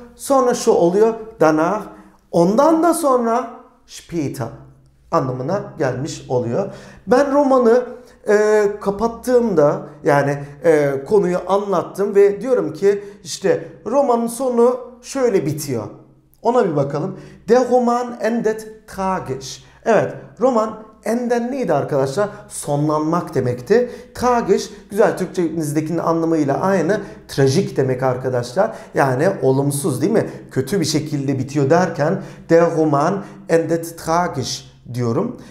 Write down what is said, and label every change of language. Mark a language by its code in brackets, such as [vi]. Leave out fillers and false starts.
[tr] Sonra şu oluyor, danach, ondan da sonra später anlamına gelmiş oluyor. Ben romanı kapattığımda, yani konuyu anlattım ve diyorum ki işte romanın sonu şöyle bitiyor. Ona bir bakalım. [de] Der Roman endet tragisch. [tr] Evet, roman enden neydi arkadaşlar? Sonlanmak demekti. Tragisch, güzel Türkçemizdekinin anlamıyla aynı. Trajik demek arkadaşlar. Yani olumsuz değil mi? Kötü bir şekilde bitiyor derken [de] Der Roman endet tragisch [tr] diyorum.